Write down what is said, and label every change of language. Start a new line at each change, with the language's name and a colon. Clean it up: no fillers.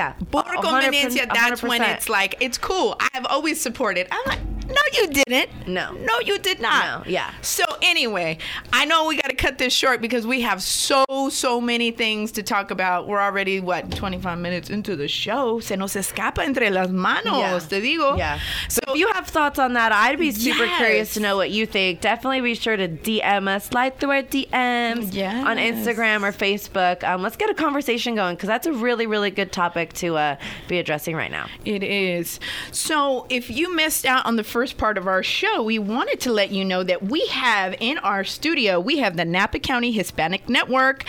Spanish: Por conveniencia,
English: that's when it's like, it's cool. I've always supported. I'm like, no, you didn't. No. No, you did not. No. Yeah. So anyway, I know we got to cut this short because we have so many things to talk about. We're already, 25 minutes into the show.
Spanish: Se nos escapa entre las manos, te digo.
English: Yeah. So if you have thoughts on that, I'd be super curious to know what you think. Definitely be sure to DM us, slide through our DMs on Instagram or Facebook. Let's get a conversation going because that's a really, really good topic to be addressing right now. It is. So if you missed out on the first part of our show, we wanted to let you know that we have in our studio, we have the Napa County Hispanic Network.